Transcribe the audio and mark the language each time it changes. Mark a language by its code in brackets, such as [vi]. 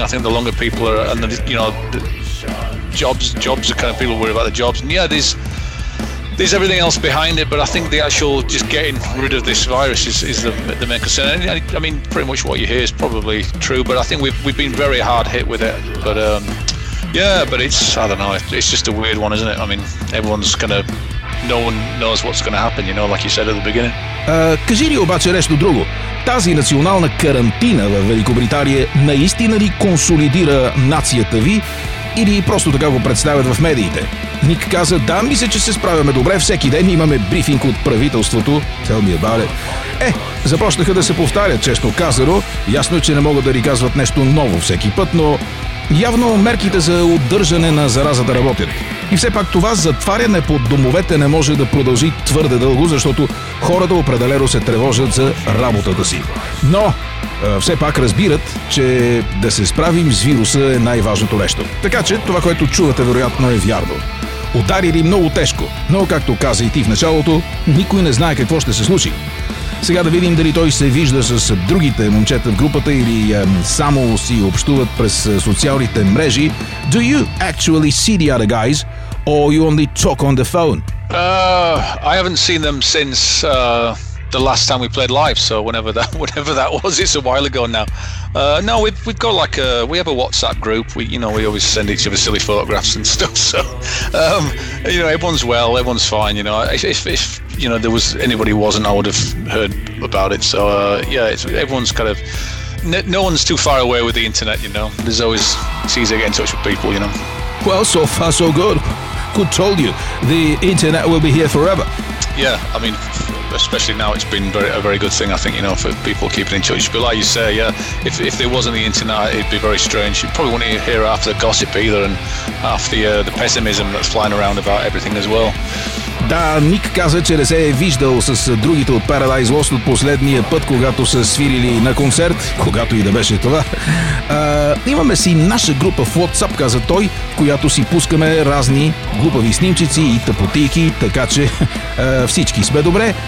[en] I think the longer people are, and jobs are kind of, people worry about the jobs, and yeah, there's everything else behind it, but I think the actual just getting rid of this virus is the main concern. I mean, pretty much what you hear is probably true, but I think we've been very hard hit with it. But it's just a weird one, isn't it? I mean, everyone's kind of, no one knows what's going to happen, you know, like you said at the beginning. [bg] Кажи ли обаче нещо друго? Тази национална карантина в Великобритания наистина ли консолидира нацията ви? Или просто така го представят в медиите? Ник каза, да, мисля, че се справяме добре. Всеки ден имаме брифинг от правителството. [en] Tell me about it. [bg] Започнаха да се повтарят, честно казано. Ясно е, че не могат да ни казват нещо ново всеки път, но явно мерките за удържане на заразата работят. И все пак това затваряне под домовете не може да продължи твърде дълго, защото хората определено се тревожат за работата си. Но все пак разбират, че да се справим с вируса е най-важното нещо. Така че това, което чувате, вероятно е вярно. Удари ли много тежко, но както каза и ти в началото, никой не знае какво ще се случи. Сега да видим дали той се вижда с другите момчета в групата или само си общуват през социалните мрежи. [en] Do you actually see the other guys or you only talk on the phone? I haven't seen them since the last time we played live, so whenever that was, it's a while ago now. We've got like a, we have a WhatsApp group. We always send each other silly photographs and stuff. So everyone's well, everyone's fine. You know, if you know there was anybody who wasn't, I would have heard about it. So everyone's kind of, no one's too far away with the internet. You know, there's always, it's easy to get in touch with people. You know. Well, so far so good. Could told you the internet will be here forever. Yeah, I mean, especially now, it's been a very good thing, I think, you know, for people keeping in touch. But like you say, yeah, if there wasn't the internet, it'd be very strange. You probably wouldn't hear half the gossip either, and half the pessimism that's flying around about everything as well. [bg] Да, Ник каза, че не се е виждал с другите от Paradise Lost от последния път, когато са свирили на концерт, когато и да беше това. Имаме си наша група в WhatsApp, каза той, която си пускаме разни глупави снимчици и тъпотийки, така че всички сме добре.